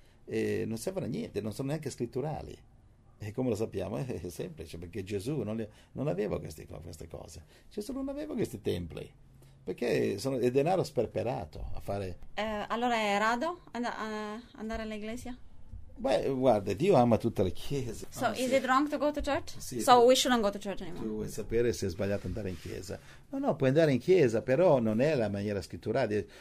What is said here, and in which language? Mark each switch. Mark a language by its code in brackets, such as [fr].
[it] Non servono a niente, non sono neanche scritturali. E come lo sappiamo, è semplice, perché Gesù non aveva queste cose. Gesù non aveva questi templi. Perché sono è denaro sperperato a fare. Allora è rado andare all'iglesia? Beh, guarda, Dio ama tutte le chiese. [en] So, Ah, is it wrong to go to church? [it] sì, [en] So, we shouldn't go to church anymore. [it] tu vuoi sapere se è sbagliato andare in chiesa? No, puoi andare in chiesa, però non è la maniera scritturale.